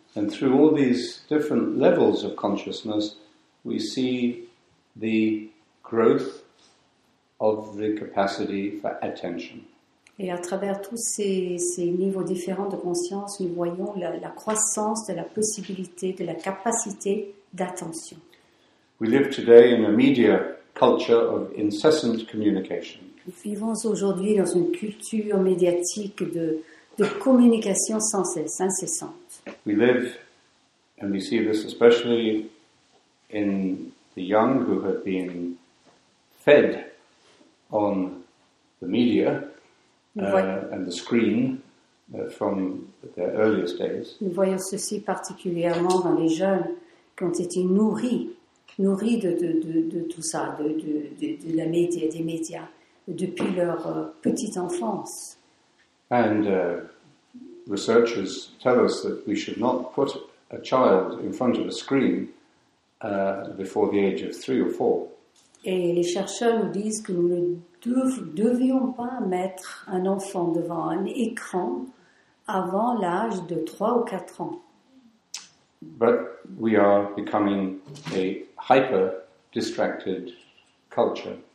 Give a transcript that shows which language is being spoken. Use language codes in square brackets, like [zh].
[en] And through all these different levels of consciousness, we see the growth of the capacity for attention. [fr] Et à travers tous ces niveaux différents de conscience, nous voyons la croissance de la possibilité, de la capacité d'attention. [en] We live today in a media culture of incessant communication. [fr] Nous vivons aujourd'hui dans une culture médiatique de communication sans cesse, incessante. [en] We live, and we see this especially in the young who have been fed on the media and the screen from their earliest days. [fr] Nous voyons ceci particulièrement dans les jeunes qui ont été nourris de tout ça, de la média, des médias. Depuis leur petite enfance. [en] And researchers tell us that we should not put a child in front of a screen before the age of 3 or 4. [fr] Et les chercheurs nous disent que nous ne devions pas mettre un enfant devant un écran avant l'âge de 3 ou 4 ans. [en] But we are becoming a hyper-distracted culture.